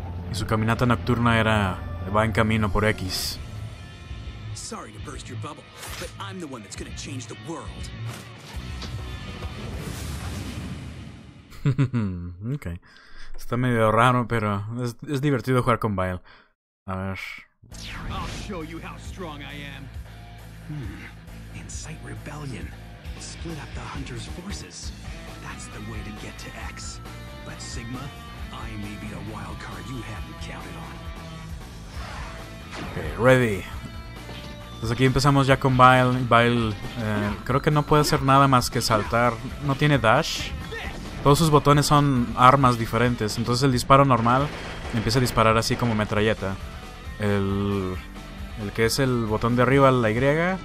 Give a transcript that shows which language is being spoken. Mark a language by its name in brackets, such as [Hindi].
[Spanish] Y su caminata nocturna era. Va en camino por X. [English] Sorry to burst your bubble, but I'm the one that's gonna change the world. Okay. [Spanish] Está medio raro, pero es divertido jugar con Vile. A ver. [English] I'll show you how strong I am. Incite rebellion. Split up the hunter's forces. That's the way to get to X. But Sigma. I may be a wild card you haven't counted on. Okay, ready. [Spanish] Entonces aquí empezamos ya con Vile. Vile, creo que no puede hacer nada más que saltar. No tiene dash. Todos sus botones son armas diferentes. Entonces el disparo normal empieza a disparar así como metralleta. El que es el botón de arriba, la Y.